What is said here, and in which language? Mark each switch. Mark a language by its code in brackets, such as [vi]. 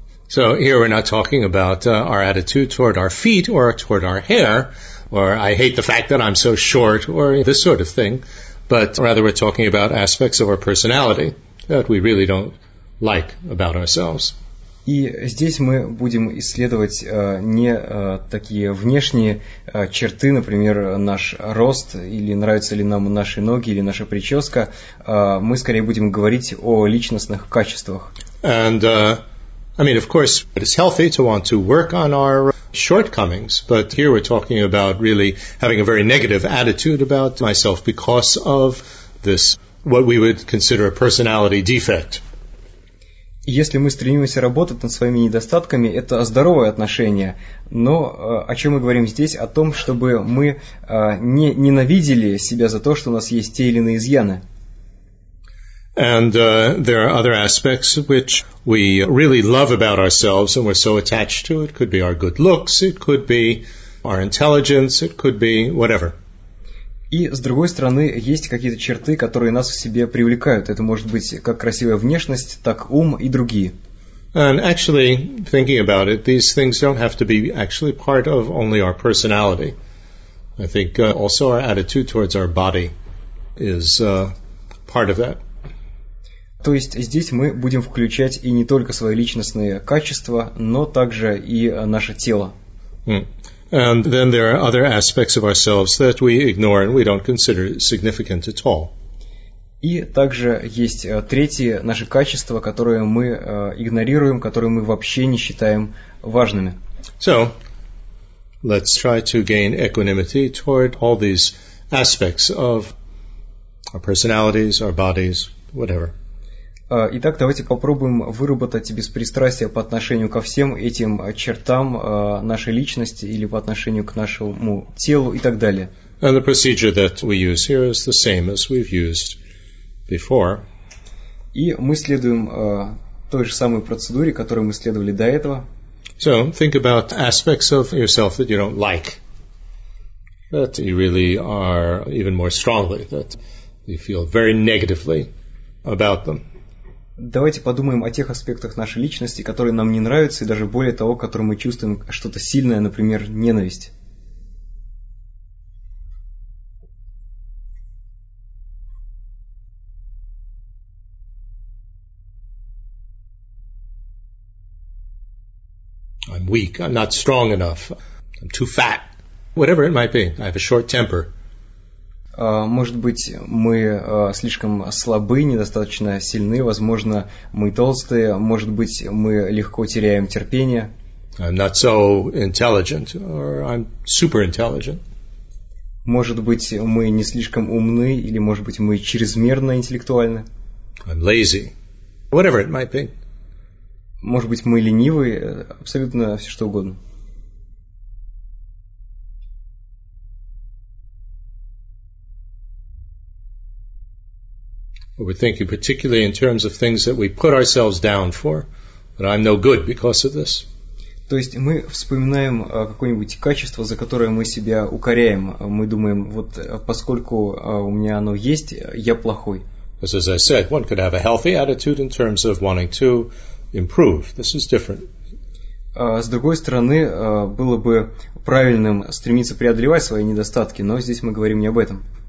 [en] So here we're not talking about our attitude toward our feet or toward our hair, or I hate the fact that I'm so short, or this sort of thing. But rather we're talking about aspects of our personality that we really don't like about ourselves. [ru] И здесь мы будем исследовать не такие внешние черты, например, наш рост, или нравятся ли нам наши ноги, или наша прическа. Мы скорее будем говорить о личностных качествах. [en] And, I mean, of course, it's healthy to want to work on our shortcomings, but here we're talking about really having a very negative attitude about myself because of this, what we would consider a personality defect. [ru] Если мы стремимся работать над своими недостатками, это здоровое отношение. Но о чем мы говорим здесь? О том, чтобы мы не ненавидели себя за то, что у нас есть те или иные изъяны. [en] And there are other aspects which we really love about ourselves and we're so attached to. It could be our good looks, it could be our intelligence, it could be whatever. [ru] И с другой стороны, есть какие-то черты, которые нас в себе привлекают. Это может быть как красивая внешность, так ум и другие. [en] And actually, thinking about it, these things don't have to be actually part of only our personality. I think also our attitude towards our body is part of that. [ru] То есть здесь мы будем включать и не только свои личностные качества, но также и наше тело. [en] And then there are other aspects of ourselves that we ignore and we don't consider significant at all. [ru] И также есть третьи наши качества, которые мы игнорируем, которые мы вообще не считаем важными. [en] So, let's try to gain equanimity toward all these aspects of our personalities, our bodies, whatever. [ru] Итак, давайте попробуем выработать беспристрастие по отношению ко всем этим чертам нашей личности или по отношению к нашему телу и так далее. [en] And the procedure that we use here is the same as we've used before. [ru] И мы следуем той же самой процедуре, которую мы следовали до этого. [en] So, think about aspects of yourself that you don't like, that you really are even more strongly, that you feel very negatively about them. [ru] Давайте подумаем о тех аспектах нашей личности, которые нам не нравятся, и даже более того, которые мы чувствуем что-то сильное, например, ненависть. [en] I'm weak, I'm not strong enough, I'm too fat, whatever it might be, I have a short temper. [ru] Может быть, мы слишком слабы, недостаточно сильны, возможно, мы толстые, может быть, мы легко теряем терпение. [en] I'm not so intelligent, or I'm super intelligent. [ru] Может быть, мы не слишком умны, или, может быть, мы чрезмерно интеллектуальны. [en] I'm lazy. Whatever it might be. [ru] Может быть, мы ленивы, абсолютно все что угодно. [en] We're thinking particularly in terms of things that we put ourselves down for, that I'm no good because of this. [ru] То есть мы вспоминаем какое-нибудь качество, за которое мы себя укоряем. Мы думаем, вот поскольку у меня оно есть, я плохой. [en] Because as I said, one could have a healthy attitude in terms of wanting to improve. This is different. [ru] С другой стороны, было бы правильным стремиться преодолевать свои недостатки, но здесь мы говорим не об этом.